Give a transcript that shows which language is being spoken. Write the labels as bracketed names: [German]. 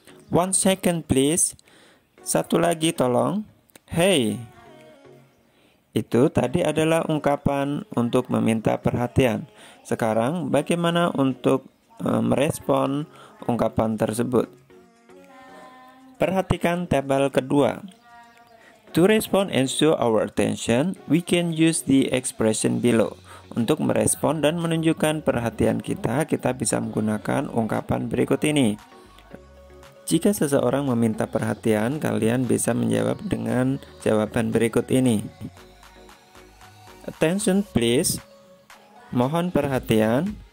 [English] One second please. [Indonesian] Satu lagi tolong. [English] Hey. [Indonesian] Itu tadi adalah ungkapan untuk meminta perhatian. Sekarang bagaimana untuk merespon ungkapan tersebut? Perhatikan tabel kedua. [English] To respond and show our attention, we can use the expression below. [Indonesian] Untuk merespon dan menunjukkan perhatian kita, kita bisa menggunakan ungkapan berikut ini. Jika seseorang meminta perhatian, kalian bisa menjawab dengan jawaban berikut ini. [English] Attention please. [Indonesian] Mohon perhatian.